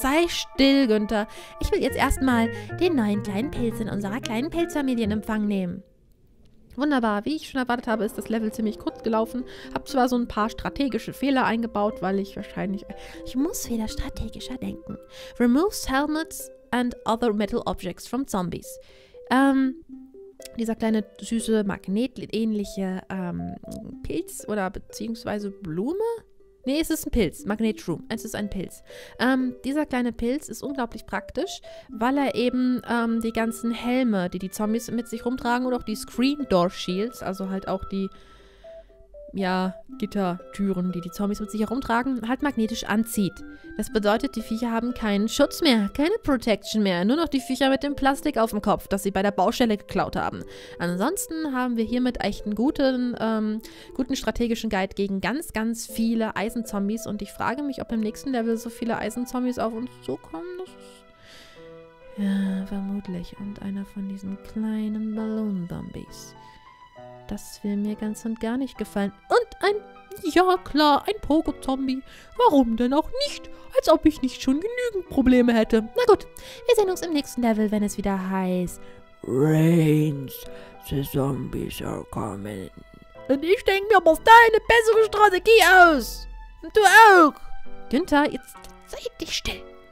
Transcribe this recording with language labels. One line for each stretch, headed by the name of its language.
German: Sei still, Günther. Ich will jetzt erstmal den neuen kleinen Pilz in unserer kleinen Pilzfamilie in Empfang nehmen. Wunderbar. Wie ich schon erwartet habe, ist das Level ziemlich kurz gelaufen. Hab zwar so ein paar strategische Fehler eingebaut, weil ich wahrscheinlich... Ich muss wieder strategischer denken.
English: Removes helmets and other metal objects from zombies.
German: Dieser kleine, süße, magnetähnliche Pilz oder beziehungsweise Blume? Nee, es ist ein Pilz. Magnet Shroom. Es ist ein Pilz. Dieser kleine Pilz ist unglaublich praktisch, weil er eben die ganzen Helme, die die Zombies mit sich rumtragen, und auch die Screen Door Shields, also halt auch die, ja, Gittertüren, die die Zombies mit sich herumtragen, halt magnetisch anzieht. Das bedeutet, die Viecher haben keinen Schutz mehr, keine Protection mehr. Nur noch die Viecher mit dem Plastik auf dem Kopf, das sie bei der Baustelle geklaut haben. Ansonsten haben wir hiermit echt einen guten strategischen Guide gegen ganz, ganz viele Eisenzombies. Und ich frage mich, ob im nächsten Level so viele Eisenzombies auf uns zukommen. Das ist ja, vermutlich. Und einer von diesen kleinen Ballon-Zombies. Das will mir ganz und gar nicht gefallen. Und ein, ja klar, ein Pogo-Zombie. Warum denn auch nicht? Als ob ich nicht schon genügend Probleme hätte. Na gut, wir sehen uns im nächsten Level, wenn es wieder heißt.
English: Rains, the zombies are coming.
German: Und ich denke mir auf deine bessere Strategie aus. Und du auch. Günther, jetzt sei dich still.